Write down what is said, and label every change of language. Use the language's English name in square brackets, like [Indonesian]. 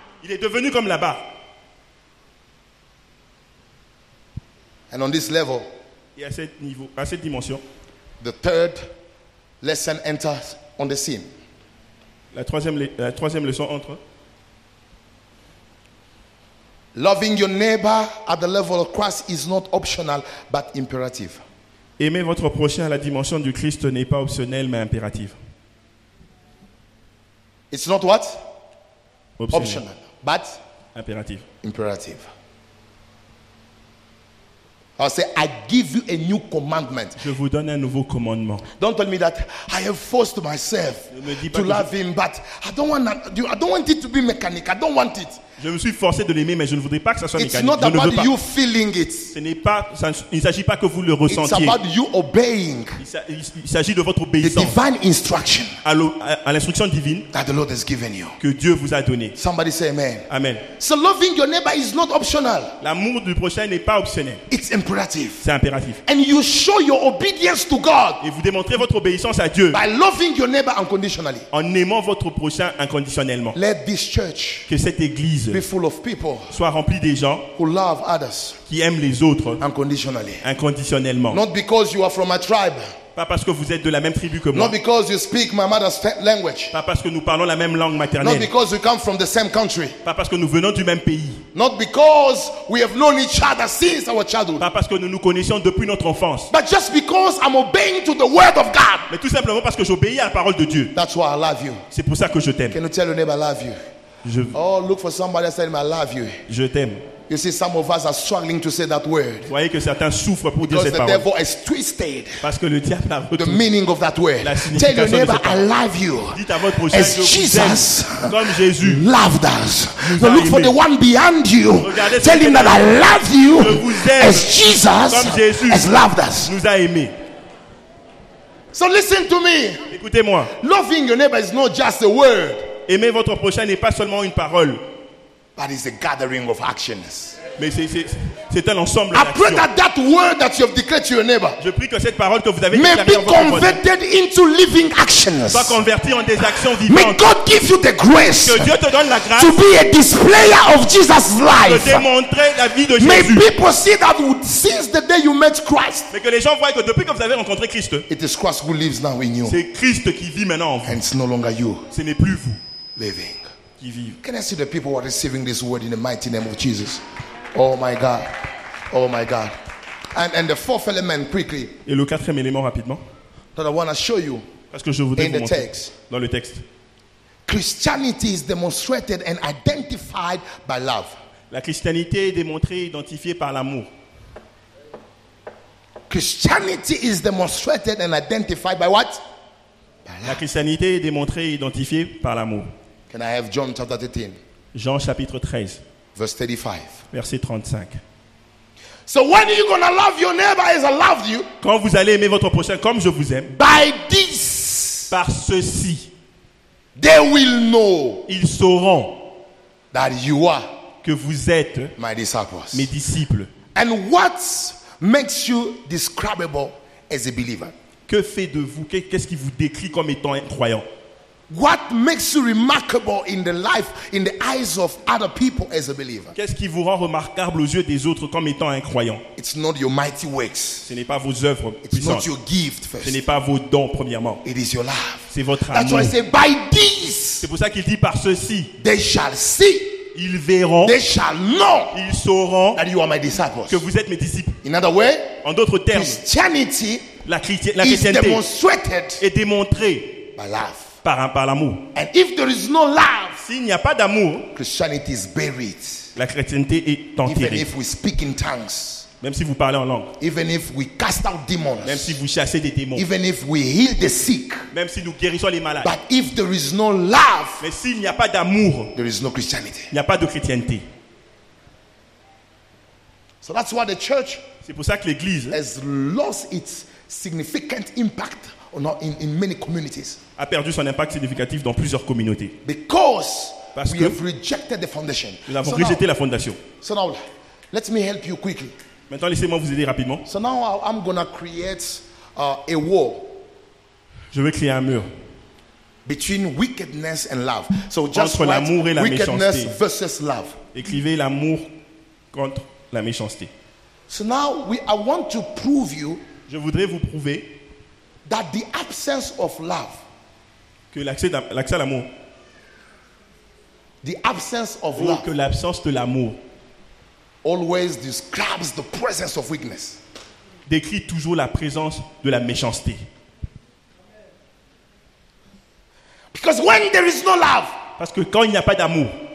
[French] Il est devenu comme la barre. [English] And on this level, [French] et à ce niveau, à cette dimension, [English] the third lesson enters on the scene. [French] La troisième leçon entre. [English] Loving your neighbor at the level of Christ is not optional but imperative. [French] Aimer votre prochain à la dimension du Christ n'est pas optionnel mais impérative. [English] It's not what? Optional. Optional but [French] impérative. [English] Imperative. I say, I give you a new commandment. [French] Je vous donne un nouveau commandement. [English] Don't tell me that I have forced myself to love him, but I don't want it to be mechanical. I don't want it. [French] Je me suis forcé de l'aimer, mais je ne voudrais pas que ça soit mécanique. [English] It's not [French] je [English] about [French] ne veux pas. [English] You feeling it. [French] Ce n'est pas, ça, il ne s'agit pas que vous le ressentiez. [English] It's about you obeying. [French] Il s'agit de votre obéissance. [English] The divine instruction. [French] À l'instruction divine. [English] That the Lord has given you. [French] Que Dieu vous a donné. [English] Somebody say amen. Amen. So loving your neighbor is not optional. [French] L'amour du prochain n'est pas optionnel. [English] It's imperative. [French] C'est impératif. [English] And you show your obedience to God. [French] Et vous démontrez votre obéissance à Dieu. [English] By loving your neighbor unconditionally. [French] En aimant votre prochain inconditionnellement. [English] Let this church. [French] Que cette église. [English] Be full of people [French] soit rempli des gens [English] who love others [French] qui aiment les autres unconditionally. Inconditionnellement. [English] Not because you are from a tribe. [French] Pas parce que vous êtes de la même tribu que moi. [English] Not because you speak my mother's language. [French] Pas parce que nous parlons la même langue maternelle. [English] Not because we come from the same country. [French] Pas parce que nous venons du même pays. [English] Not because we have known each other since our childhood. [French] Pas parce que nous nous connaissions depuis notre enfance. [English] But just because I'm obeying to the word of God. [French] Mais tout simplement parce que j'obéis à la parole de Dieu. [English] That's why I love you. [French] C'est pour ça que je t'aime. [English] Can you tell your neighbor I love you? Oh, look for somebody and say, "I love you." [French] Je t'aime. [English] You see, some of us are struggling to say that word. [French] Vous voyez que certains souffrent pour dire cette parole. [English] Because the devil has twisted. [French] Parce que le diable a retourné. [English] The meaning of that word. [French] La signification. [English] Tell your neighbor, "I love you." [French] Dites à votre prochain, [English] "As Jesus [French] comme Jésus [English] loved us." So look for the one behind you. [French] Regardez [English] tell him that I love you. [French] Je vous aime. [English] As Jesus [French] comme Jésus [English] has loved us. [French] Nous a aimé. [English] So listen to me. [French] Écoutez-moi. [English] Loving your neighbor is not just a word. [French] Aimer votre prochain n'est pas seulement une parole. [English] But it's a gathering of actions. [French] Mais c'est un ensemble [English] d'actions. I pray that that word that you have declared to your neighbor. [French] Je prie que cette parole que vous avez [English] may be converted into living actions. [French] Soit converti en des actions vivantes. [English] May God give you the grace. [French] Que Dieu te donne la grâce. [English] To be a displayer of Jesus' life. [French] De démontrer la vie de Jésus. [English] May people see that since the day you met Christ. [French] Mais que les gens voient que depuis que vous avez rencontré Christ. [English] It is Christ who lives now in you. [French] C'est Christ qui vit maintenant en vous. [English] And it's no longer you. [French] Ce n'est plus vous. [English] Living. Can I see the people who are receiving this word in the mighty name of Jesus? Oh my God. Oh my God. And the fourth element quickly. [French] Et le quatrième élément rapidement. [English] That I want to show you. [French] Parce que je voudrais [English] in [French] vous [English] the text. [French] Dans le texte. [English] Christianity is demonstrated and identified by love. [French] La christianité est démontrée et identifiée par l'amour. [English] Christianity is demonstrated and identified by what? By love. [French] La christianité est démontrée et identifiée par l'amour. [English] Can I have John chapter 13? [French] Jean chapitre 13. [English] Verse 35. [French] Verset 35. [English] So when are you gonna love your neighbor as I love you? [French] Quand vous allez aimer votre prochain comme je vous aime. [English] By this. [French] Par ceci. [English] They will know. [French] Ils sauront. [English] That you are. [French] Que vous êtes. [English] My disciples. [French] Mes disciples. [English] And what makes you describable as a believer? [French] Que fait de vous? Qu'est-ce qui vous décrit comme étant un croyant? [English] What makes you remarkable in the life, in the eyes of other people as a believer? [French] Qu'est-ce qui vous rend remarquable aux yeux des autres comme étant un croyant? [English] It's not your mighty works. [French] Ce n'est pas vos œuvres [English] puissantes. It's not your gift first. [French] Ce n'est pas vos dons premièrement. [English] It is your love. [French] C'est votre [English] That's [French] amour. [English] That's why I say by this. [French] C'est pour ça qu'il dit par ceci. [English] They shall see. [French] Ils verront. [English] They shall know. [French] Ils sauront. [English] That you are my disciples. [French] Que vous êtes mes disciples. [English] In other words. [French] En d'autres termes. [English] Christianity. [French] La chrétienté. [English] Is demonstrated. [French] Est démontrée. [English] By love. [French] Par l'amour. [English] And if there is no love, [French] s'il n'y a pas d'amour, [English] Christianity is buried. [French] La chrétienté est enterrée. [English] Even if we speak in tongues, [French] même si vous parlez en langue, [English] even if we cast out demons, [French] même si vous chassez des démons, [English] even if we heal the sick, [French] même si nous guérissons les malades, [English] but if there is no love, [French] mais s'il n'y a pas d'amour, [English] there is no Christianity. [French] Il n'y a pas de chrétienté. [English] So that's why the church, [French] c'est pour ça que l'église, [English] has lost its significant impact in many communities. [French] A perdu son impact significatif dans plusieurs communautés. [English] Because Parce we que have rejected the foundation. [French] Nous avons rejeté la fondation. [English] So now, let me help you quickly. [French] Maintenant, laissez-moi vous aider rapidement. [English] So now I'm gonna create a wall. [French] Je vais créer un mur. [English] Between wickedness and love. So just [French] entre l'amour et la [English] wickedness [French] méchanceté. [English] Versus love. [French] Écrivez l'amour contre la méchanceté. [English] So now I want to prove you. [French] Je voudrais vous prouver [English] that the absence of love. [French] Que l'accès à l'amour. [English] The absence of love. [French] Que l'absence de l'amour. [English] Always describes the presence of weakness. [French] Décrit toujours la présence de la méchanceté. [English] Because when there is no love, [French] parce que quand il n'y a pas d'amour,